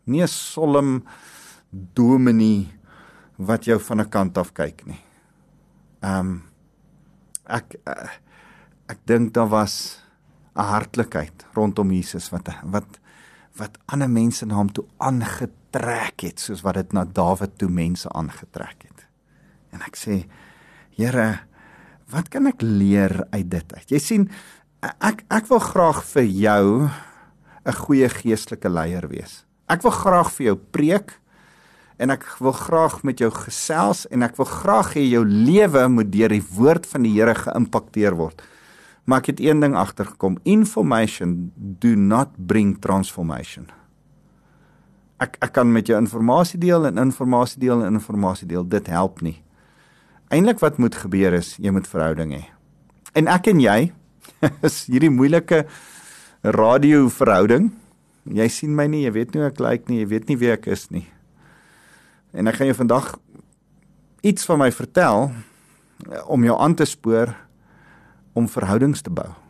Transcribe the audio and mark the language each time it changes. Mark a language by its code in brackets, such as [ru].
[af] Nie 'n solem dominee wat jou van 'n kant af kyk nie. Ek dink daar was 'n hartlikheid rondom Jesus wat ander mense na hom toe aangetrek het, soos wat dit na Dawid toe mense aangetrek het. En ek sê, Here, wat kan ek leer uit dit uit? Jy sien, ek wil graag vir jou 'n goeie geestelike leier wees. Ek wil graag vir jou preek, en ek wil graag met jou gesels, en ek wil graag hê jou lewe moet deur die woord van die Here geïmpakteer word. Maar ek het een ding agtergekom, [en] information do not bring transformation. [af] Ek kan met jou informatie deel en informatie deel en informatie deel, dit help nie. Eindelijk wat moet gebeur is, jy moet verhouding hê. En ek en jy, is hierdie moeilike radio verhouding, jy sien my nie, jy weet nie hoe ek lyk nie, jy weet nie wie ek is nie. En ek gaan jou vandag iets van my vertel, om jou aan te spoor, om verhoudings te bou.